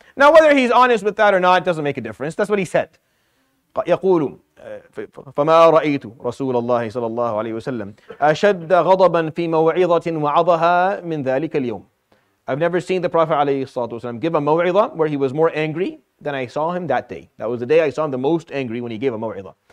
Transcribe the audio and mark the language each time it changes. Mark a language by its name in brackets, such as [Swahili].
[English] Now, whether he's honest with that or not doesn't make a difference. That's what he said. [Arabic] يقول فما رأيت رسول الله صلى الله عليه وسلم أشد غضبا في موعظة وعظها من ذلك اليوم. [English] I've never seen the Prophet [Arabic] عليه الصلاة والسلام [English] give a موعظة where he was more angry than I saw him that day. That was the day I saw him the most angry when he gave a موعظة.